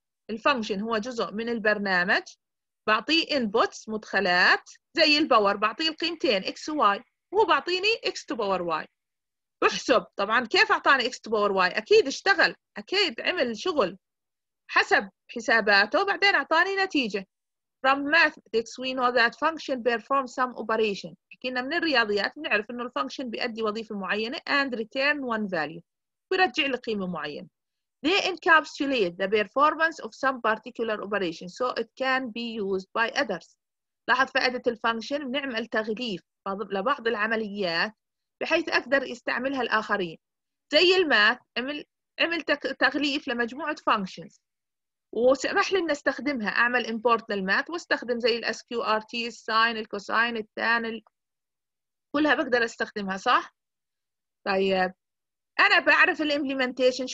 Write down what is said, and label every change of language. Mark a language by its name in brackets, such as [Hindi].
[Arabic] الفانكشن هو جزء من البرنامج، بعطيه inputs مدخلات زي الباور، بعطيه القيمتين x و y، هو بعطيني [English] x to power y. [Arabic] بحسب طبعا كيف أعطاني [English] x to power y، [Arabic] أكيد اشتغل، أكيد عمل شغل حسب حساباته وبعدين أعطاني نتيجة. [English] From mathematics we know that function perform some operation. [Arabic] كنا من الرياضيات بنعرف إنه الفانكشن بيأدي وظيفة معينة [English] and return one value، [Arabic] بيرجع لقيمة معينة. [English] They encapsulate the performance of some particular operation so it can be used by others. [Arabic] لاحظ فائدة الفانكشن، بنعمل تغليف لبعض العمليات بحيث أقدر استعملها الآخرين. زي الماث، عمل تغليف لمجموعة functions وسمح لي ان استخدمها، اعمل import للماث واستخدم زي الـ SQRT الساين الكوساين التان كلها بقدر استخدمها صح؟ طيب انا بعرف الـ implementation.